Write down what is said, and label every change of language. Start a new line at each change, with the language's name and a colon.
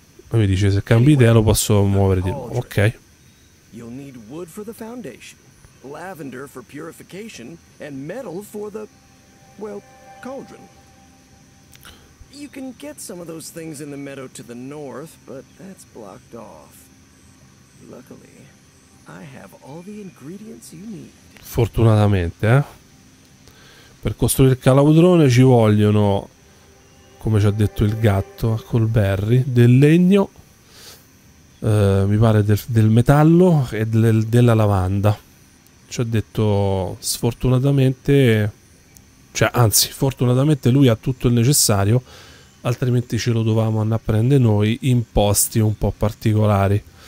Italian: Ma mi dice, se cambi idea lo posso muovere di nuovo, ok.
English: You'll need wood for the foundation, lavender for purification, and metal for the, well, cauldron. You can get some of those things in the meadow to the north, but that's blocked off. Luckily, I have all the ingredients you need.
Italian: Fortunatamente, eh? Per costruire il calaudrone ci vogliono, come ci ha detto il gatto a Colberry, del legno, mi pare del metallo e della lavanda. Ci ha detto sfortunatamente, cioè anzi fortunatamente lui ha tutto il necessario, altrimenti ce lo dovevamo andare a prendere noi in posti un po' particolari.